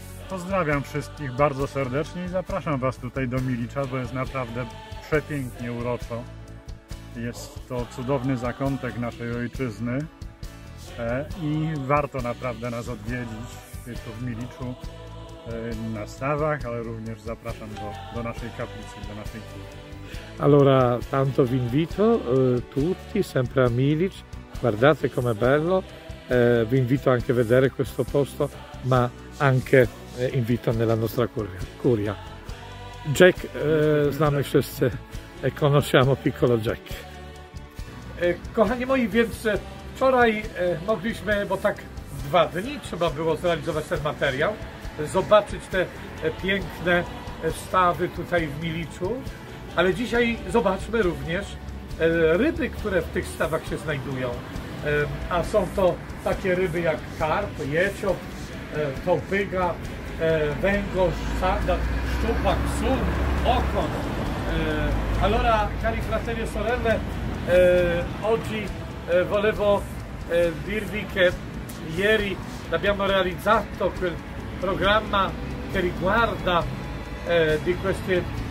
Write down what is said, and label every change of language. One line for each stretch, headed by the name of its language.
Polish: Pozdrawiam wszystkich bardzo serdecznie i zapraszam Was tutaj do Milicza, bo jest naprawdę przepięknie uroczo. Jest to cudowny zakątek naszej ojczyzny i warto naprawdę nas odwiedzić tu w Miliczu na stawach, ale również zapraszam do naszej kaplicy, do naszej kuli.
Italian: Allora, tanto vi invito tutti, sempre a Milic, guardate come bello, vi invito anche a vedere questo posto, ma anche invito nella nostra curia. Jack,
Polish: znamy wszyscy
Italian: e conosciamo piccolo Jack.
Polish: Kochani moi, więc wczoraj mogliśmy, bo tak dwa dni trzeba było zrealizować ten materiał, zobaczyć te piękne stawy tutaj w Miliczu, ale dzisiaj zobaczmy również ryby, które w tych stawach się znajdują. A są to takie ryby jak karp, jecioł, tołpyga, węgorz, sandat, szczupak, sur, okon.
Italian: Allora, cari fratelli e sorelle, oggi volevo dirvi che ieri abbiamo realizzato quel programma che riguarda di questi